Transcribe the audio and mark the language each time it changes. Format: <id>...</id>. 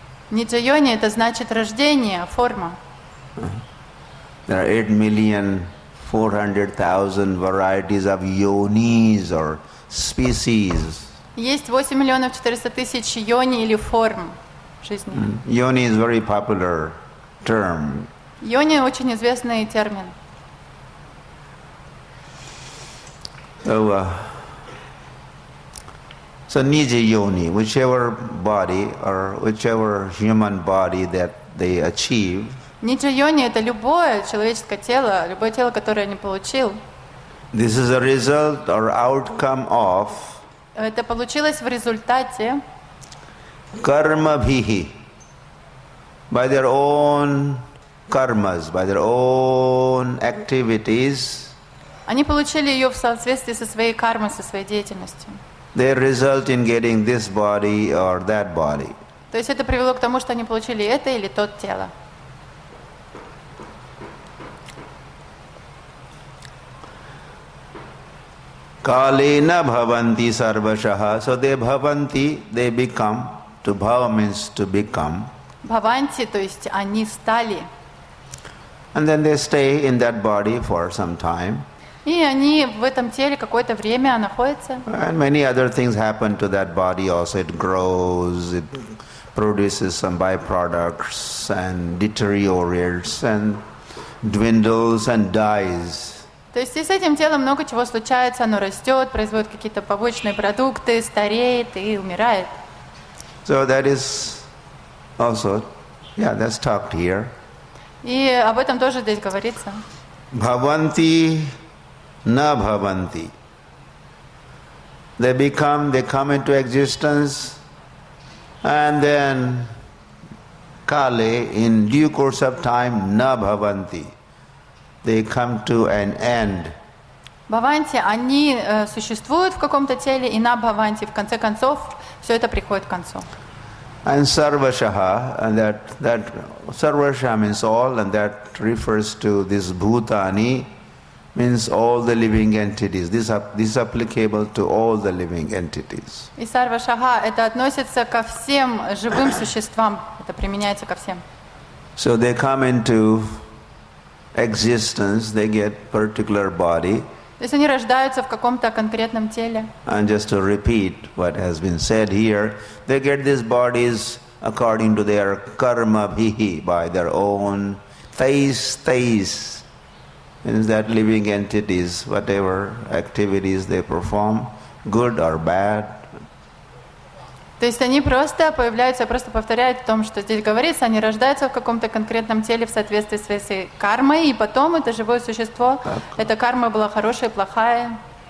<sa>Nija yoni,</sa> <ru>это значит рождение, форма.</ru> <en>There are 8,400,000 varieties of yonis or species.</en> <ru>Есть 8,400,000 йони или форм жизни.</ru> <en>Йони is very popular term.</en> <ru>Йони очень известный термин.</ru> <en>So</en> <sa>nija yoni,</sa> <en>whichever body or whichever human body that they achieve.</en> <sa>Nija yoni</sa> <ru>это любое человеческое тело, любое тело, которое они получил.</ru> <en>This is a result or outcome of.</en> <ru>Это получилось в результате</ru> <sa>карма бхихи,</sa> <en>by their own karmas, by their own activities.</en> <ru>Они получили ее в соответствии со своей кармой, со своей деятельностью.</ru> <en>They result in getting this body or that body.</en> <ru>То есть это привело к тому, что они получили это или тот тело.</ru> <sa>Kalena bhavanti sarvashaha.</sa> <en>So they bhavanti, they become. To bhava means to become.</en> <ru>Bhavanti, то есть они стали.</ru> <en>And then they stay in that body for some time.</en> <ru>И они в этом теле какое-то время находятся.</ru> <en>And many other things happen to that body also. It grows, it produces some byproducts and deteriorates and dwindles and dies.</en> <ru>То есть и с этим телом много чего случается, оно растет, производит какие-то побочные продукты, стареет и умирает.</ru> <en>So that is also, yeah, that's talked here.</en> <ru>И об этом тоже здесь говорится.</ru> <sa>Bhavanti na bhavanti.</sa> <en>they come into existence, and then Kali, in due course of time,</en> <sa>na bhavanti,</sa> <en>they come to an end.</en> <ru>Бхаванти, они существуют в каком-то теле, и</ru> <sa>на бхаванти,</sa> <ru>в конце концов, все это приходит к концу.</ru> <en>And sarvashaha, and that sarvasha means all, and that refers to this bhutani, means all the living entities. This is applicable to all the living entities.</en> <ru>И сарвашаха это относится ко всем живым существам. Это применяется ко всем.</ru> <en>So they come into existence, they get particular body.</en> <ru>То есть они рождаются в каком-то конкретном теле.</ru> <en>And just to repeat what has been said here, they get these bodies according to their</en> <sa>karma bhihi,</sa> <en>by their own tais. Means that living entities, whatever activities they perform, good or bad.</en> <ru>То есть они просто появляются, просто повторяют о том, что здесь говорится, они рождаются в каком-то конкретном теле в соответствии с своей кармой, и потом это живое существо, эта карма была хорошая, плохая.</ru>